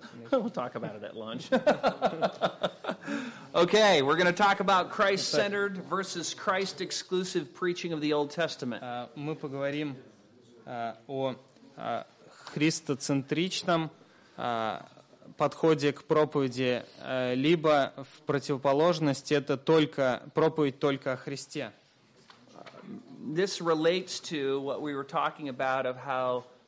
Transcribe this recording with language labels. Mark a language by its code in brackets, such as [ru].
[en] We'll talk about it at lunch. Okay, we're going to talk about Christ-centered versus Christ-exclusive preaching of the Old Testament. [ru] Мы поговорим о христоцентричном подходе к проповеди, либо в противоположность это только проповедь только о Христе. [en] This relates to what we were talking about of how...